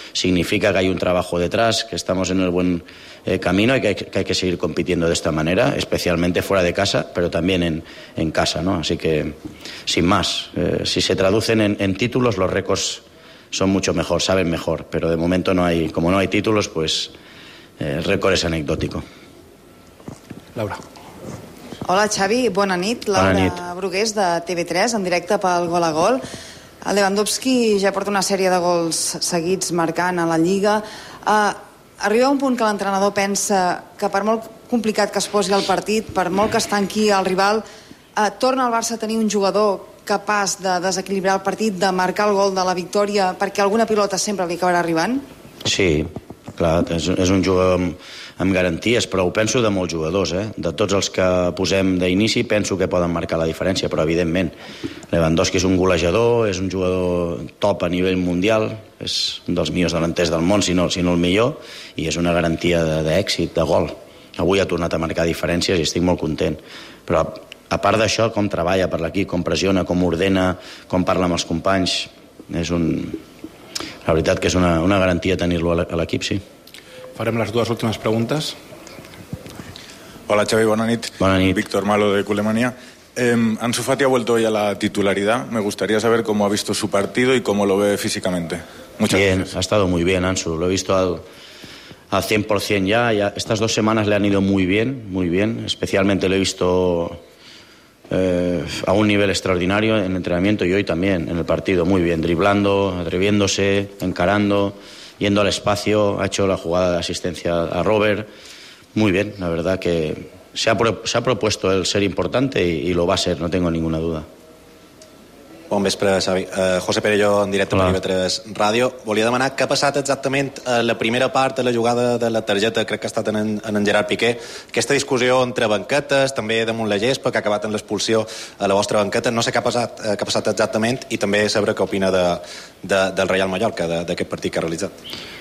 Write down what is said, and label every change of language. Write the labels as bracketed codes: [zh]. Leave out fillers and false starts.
[es] Significa que hay un trabajo detrás, que estamos en el buen camino y que hay que seguir compitiendo de esta manera, especialmente fuera de casa, pero también en casa, ¿no? Así que, sin más, si se traducen en títulos, los récords son mucho mejor, saben mejor, pero de momento no hay, como no hay títulos, pues el récord es anecdótico. [ca] Laura. Hola, Xavi, bona nit. Laura Brugués, de TV3, en directe pel Gol a Gol. El Lewandowski ja porta una sèrie de gols seguits marcant a la Lliga. Arriba un punt que l'entrenador pensa que per molt complicat que es posi el partit, per molt que es tanqui el rival, torna el Barça a tenir un jugador capaç de desequilibrar el partit, de marcar el gol de la victòria, perquè alguna pilota sempre li acabarà arribant? Sí, clar, és un jugador amb garanties, però ho penso de molts jugadors, eh? De tots els que posem d'inici penso que poden marcar la diferència, però evidentment Lewandowski és un golejador, és un jugador top a nivell mundial, és un dels millors davanters del món, si no el millor, i és una garantia d'èxit, de gol. Avui ha tornat a marcar diferències i estic molt content, però a part d'això, com treballa per l'equip, com pressiona, com ordena, com parla amb els companys, és un... la veritat que és una garantia tenir-lo a l'equip, sí. Farem les dues últimes preguntes. Hola, Xavi, bona nit. Bona nit. [es] Víctor Malo, de Culemanía. Ansu Fati ha vuelto hoy a la titularidad. Me gustaría saber cómo ha visto su partido y cómo lo ve físicamente. Muchas bien, gracias. Ha estado muy bien, Ansu. Lo he visto al 100% ya. Estas dos semanas le han ido muy bien, muy bien. Especialmente lo he visto a un nivel extraordinario en entrenamiento y hoy también en el partido. Muy bien, driblando, atreviéndose, encarando, yendo al espacio, ha hecho la jugada de asistencia a Robert. Muy bien, la verdad que se ha propuesto el ser importante y lo va a ser, no tengo ninguna duda. [ca] Bon vespre, Xavi. José Perelló, en directe per TV3 Ràdio. Volia demanar què ha passat exactament la primera part de la jugada de la targeta, crec que ha estat en Gerard Piqué. Aquesta discussió entre banquetes, també damunt la gespa, que ha acabat en l'expulsió a la vostra banqueta. No sé què ha passat exactament i també sabre què opina del Reial Mallorca, d'aquest partit que ha realitzat.